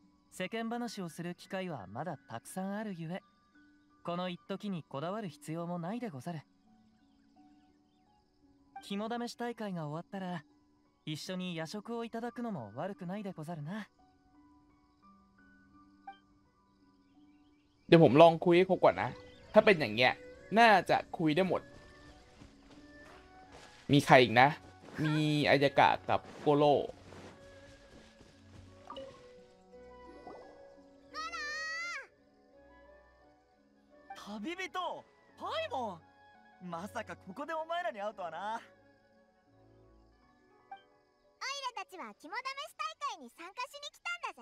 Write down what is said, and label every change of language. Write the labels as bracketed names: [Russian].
[Japanese] 世間話をする機会はまだたくさんあるゆえ、この一時にこだわる必要もないでござる。肝試し大会が終わったら一緒に夜食をいただくのも悪くないでござるな。 [Thai] เดี๋ยวผมลองคุยให้ครบก่อนนะถ้าเป็นอย่างเงี้ยน่าจะคุยได้หมดมีใครอีกนะมีอายากะกับโกโร่ [Japanese] 旅人パイモンまさかここでお前らに会うとはな。たちは肝試し大会に参加しに来たんだぜ。